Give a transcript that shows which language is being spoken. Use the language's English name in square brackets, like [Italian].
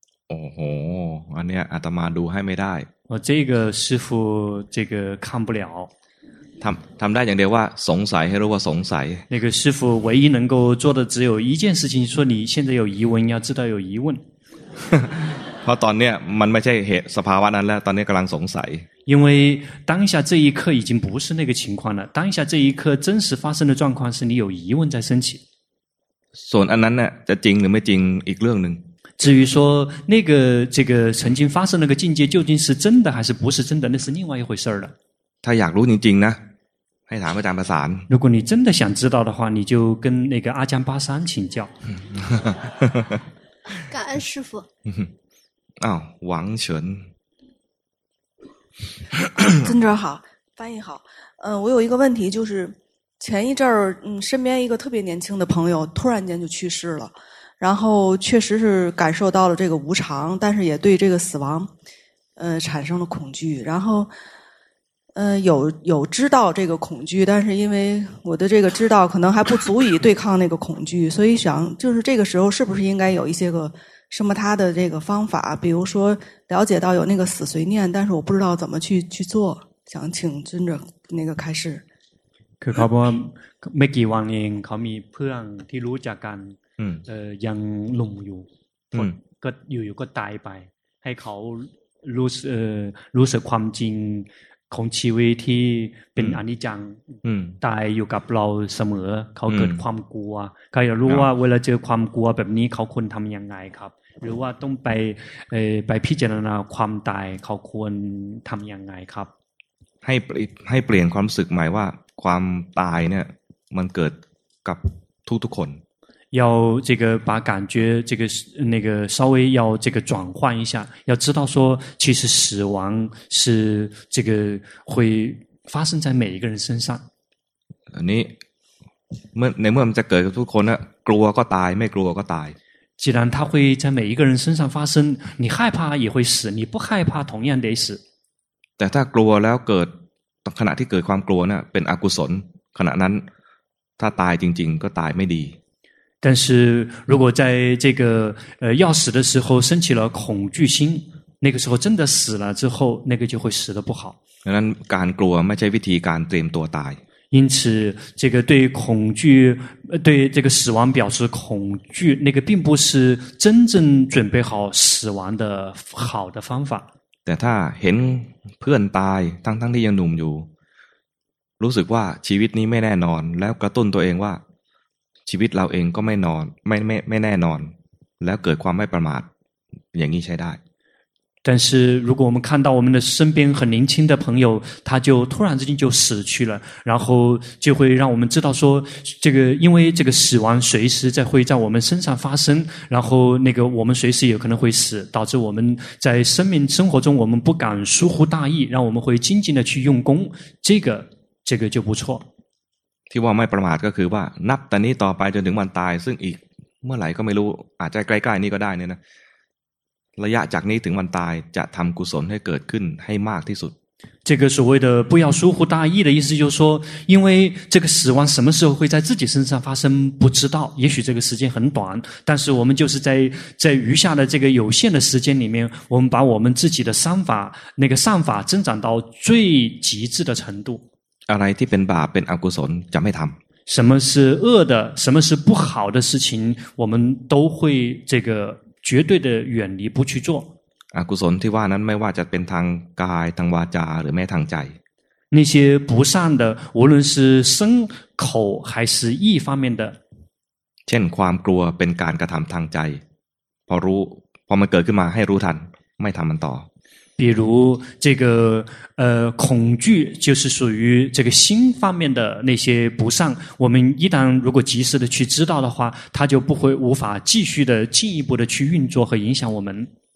[Thai] โอ้โหอันเนี้ยอาตมาดูให้ไม่ได้ [Chinese] 我这个师父这个看不了 [Thai] ทำได้อย่างเดียวว่าสงสัยให้รู้ว่าสงสัย [Chinese] 那个师父唯一能够做的只有一件事情说你现在有疑问要知道有疑问 [Thai] เพราะตอนเนี้ยมันไม่ใช่เหตุสภาวะนั้นแล้วตอนนี้กำลังสงสัย [Chinese] 因为当下这一刻已经不是那个情况了，当下这一刻真实发生的状况是你有疑问在升起。所以 [Thai] นั้นน่ะจะจริงหรือไม่จริงอีกเรื่องนึง。 [Chinese] 至于说那个这个曾经发生那个境界究竟是真的还是不是真的，那是另外一回事了。 [Thai] ถ้าอยากรู้จริงๆนะให้ถามอาจารย์ปาสาน。 [Chinese] 如果你真的想知道的话，你就跟那个阿江巴山请教。感恩师父。啊，王权。尊者好，翻译好。我有一个问题，就是前一阵儿，身边一个特别年轻的朋友突然间就去世了，然后确实是感受到了这个无常，但是也对这个死亡，产生了恐惧。然后，有知道这个恐惧，但是因为我的这个知道可能还不足以对抗那个恐惧，所以想就是这个时候是不是应该有一些个。什么他的这个方法，比如说了解到有那个死随念，但是我不知道怎么去做，想请尊者那个开示。 [Thai] คือเขาบอกว่าไม่กี่วันเองเขามีเพื่อนที่รู้จักกันยังหลงอยู่ ก็อยู่ก็ตายไปให้เขารู้สึกความจริงของชีวิตที่เป็นอนิจจังตายอยู่กับเราเสมอเขาเกิดความกลัวเขาอยากรู้ว่าเวลาเจอความกลัวแบบนี้เขาควรทำยังไงครับหรือว่าต้องไปพิจารณาความตายเขาควรทำยังไงครับ ให้เปลี่ยนความรู้สึกใหม่ว่าความตายเนี่ยมันเกิดกับทุกคน [Chinese] 要这个把感觉这个那个稍微要这个转换一下，要知道说其实死亡是这个会发生在每一个人身上。你， [Thai] เมื่อมันจะเกิดกับทุกคนนะกลัวก็ตายไม่กลัวก็ตาย。 [Chinese] 既然它会在每一个人身上发生，你害怕也会死，你不害怕同样得死。 [Thai] แต่ถ้ากลัวแล้วเกิดขณะที่เกิดความกลัวเนี่ยเป็นอกุศลขณะนั้นถ้าตายจริงๆก็ตายไม่ดี。 [Chinese] 但是如果在这个要死的时候升起了恐惧心，那个时候真的死了之后，那个就会死得不好。 [Thai] นั้นการกลัวไม่ใช่วิธีการเตรียมตัวตาย。 [Chinese] 因此，这个对恐惧、对这个死亡表示恐惧，那个并不是真正准备好死亡的好的方法。 [Thai] แต่ถ้าเห็นเพื่อนตายทั้งที่ยังหนุ่มอยู่รู้สึกว่าชีวิตนี้ไม่แน่นอนแล้วกระตุ้นตัวเองว่าชีวิตเราเองก็ไม่นอนไม่แน่นอนแล้วเกิดความไม่ประมาทอย่างนี้ใช้ได้ [Chinese] 但是如果我们看到我们的身边很年轻的朋友他就突然之间就死去了然后就会让我们知道说这个因为这个死亡随时在会在我们身上发生然后那个我们随时有可能会死导致我们在生活中我们不敢疏忽大意让我们会精进的去用功这个就不错 [Thai] ที่ว่าไม่ประมาทก็คือว่านับแต่นี้ต่อไปจนถึงวันตายซึ่งอีกเมื่อไหร่ก็ไม่รู้อาจจะใกล้ๆนี้ก็ได้เนี่ยนะระยะจากนี้ถึงวันตายจะทำกุศลให้เกิดขึ้นให้มากที่สุด [Chinese] 这个所谓的不要疏忽大意的意思就是说因为这个死亡什么时候会在自己身上发生不知道也许这个时间很短但是我们就是在余下的这个有限的时间里面我们把我们自己的善法那个善法增长到最极致的程度 [Thai] อะไรที่เป็นบาปเป็นอกุศลจะไม่ทำ [Chinese] 什么是恶的，什么是不好的事情，我们都会这个绝对的远离不去做。 [Thai] 啊，กุศลที่ว่านั้นไม่ว่าจะเป็นทางกายทางวาจาหรือแม้ทางใจ [Chinese] 那些不善的无论是身口还是意方面的 [Thai] เช่นความกลัวเป็นการกระทำทางใจพอรู้พอมันเกิดขึ้นมาให้รู้ทันไม่ทำมันต่อ [Chinese] 比如这个恐惧就是属于这个心方面的那些不善，我们一旦如果及时的去知道的话，它就不会无法继续的进一步的去运作和影响我们。